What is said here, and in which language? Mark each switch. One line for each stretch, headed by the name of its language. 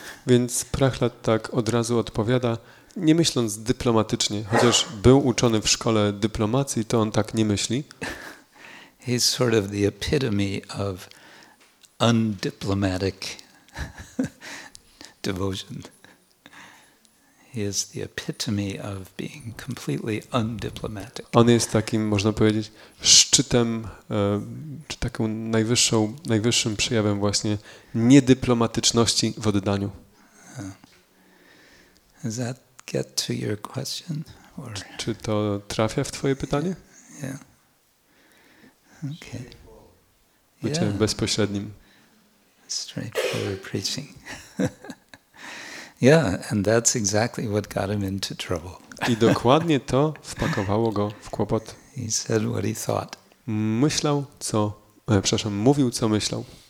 Polish: Więc Prahlad tak od razu odpowiada, nie myśląc dyplomatycznie, chociaż był uczony w szkole dyplomacji, to on tak nie myśli.
English: He's sort of the epitome of undiplomatic devotion. He is the epitome of being completely undiplomatic.
Polish: On jest takim, można powiedzieć, szczytem, czy taką najwyższym przejawem właśnie niedyplomatyczności w oddaniu.
English: Does that get to your question? Or...
Polish: Czy to trafia w twoje pytanie?
English: Yeah. Okay.
Polish: Yeah. Bezpośrednim.
English: Straightforward preaching. Yeah, and that's exactly what got him into trouble.
Polish: I dokładnie to wpakowało go w kłopot.
English: He said what he thought.
Polish: Myślał, co, przepraszam, mówił, co myślał.